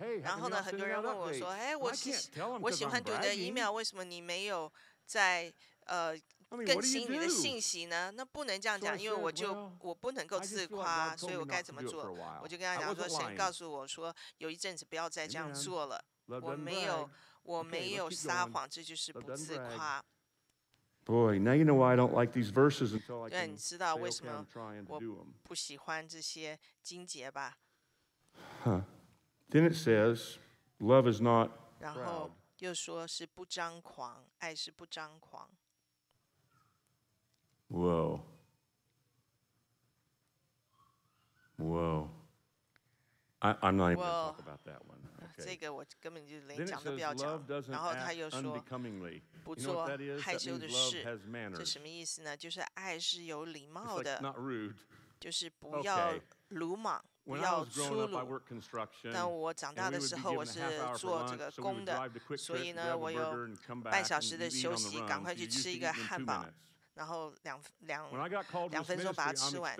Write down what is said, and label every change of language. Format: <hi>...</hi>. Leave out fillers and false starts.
<zh>然后呢，很多人问我说：“哎，我喜欢读你的 email， 为什么你没有在更新你的信息呢？” 那不能这样讲，因为我不能够自夸，所以我该怎么做？我就跟他讲说：“神告诉我说，有一阵子不要再这样做了。我没有撒谎，这就是不自夸。”</zh> <en>Boy, now you know why I don't like these verses until I can.</en> <zh>对，你知道为什么我不喜欢这些经节吧？</zh> <en>Then it says, "Love is not."</en> <zh>然后又说是不张狂，爱是不张狂。 Whoa.</zh> <en>Whoa. I'm not even going to talk about that one.</en> <zh>这个我根本就连讲都不要讲。然后他又说，不做害羞的事，这什么意思呢？就是爱是有礼貌的，就是不要鲁莽。不要粗鲁。但我长大的时候，我是做这个工的，所以呢，我有半小时的休息，赶快去吃一个汉堡，然后两分钟把它吃完。</zh>